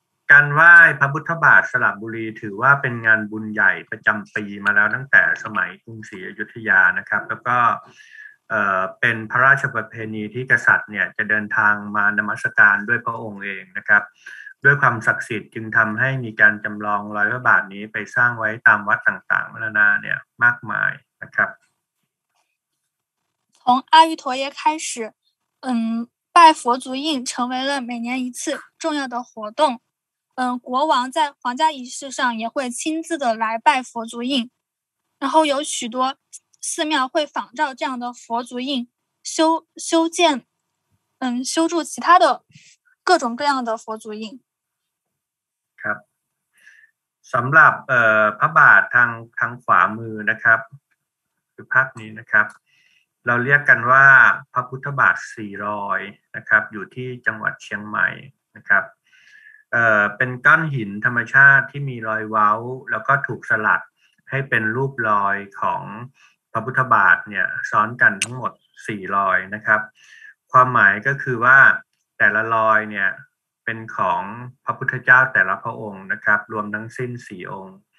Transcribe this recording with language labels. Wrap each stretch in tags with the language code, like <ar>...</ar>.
<th>การไหว้พระพุทธบาทสระบุรีถือว่าเป็นงานบุญใหญ่ประจำปีมาแล้วตั้งแต่สมัยกรุงศรีอยุธยานะครับแล้วก็เป็นพระราชประเพณีที่กษัตริย์เนี่ยจะเดินทางมานมัสการด้วยพระองค์เองนะครับด้วยความศักดิ์สิทธิ์จึงทำให้มีการจำลองรอยพระบาทนี้ไปสร้างไว้ตามวัดต่างๆนานเนี่ยมากมายนะครับ</th> <zh>从阿育陀耶开始拜佛足印成为了每年一次重要的活动国王在皇家仪式上也会亲自的来拜佛足印然后有许多寺庙会仿照这样的佛足印修建修筑其他的各种各样的佛足印</zh> <th>ครับสำหรับพระบาททางขวามือนะครับคือภาพนี้นะครับเราเรียกกันว่าพระพุทธบาท400นะครับอยู่ที่จังหวัดเชียงใหม่นะครับ เป็นก้อนหินธรรมชาติที่มีรอยเว้าแล้วก็ถูกสลักให้เป็นรูปรอยของพระพุทธบาทเนี่ยซ้อนกันทั้งหมด4รอยนะครับความหมายก็คือว่าแต่ละรอยเนี่ยเป็นของพระพุทธเจ้าแต่ละพระองค์นะครับรวมทั้งสิ้น4องค์</th>